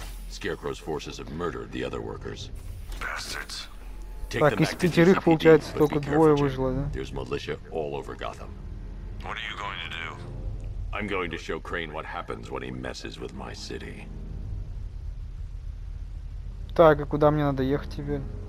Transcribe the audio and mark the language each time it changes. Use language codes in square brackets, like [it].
[en] Scarecrow's forces have murdered the other workers. Bastards. [ru] Так, из пятерых получается только двое выжило, да? [en] There's militia all over Gotham. What are you going to do? I'm going to show Crane what happens when he messes with my city. [ru] Так, а куда мне надо ехать тебе?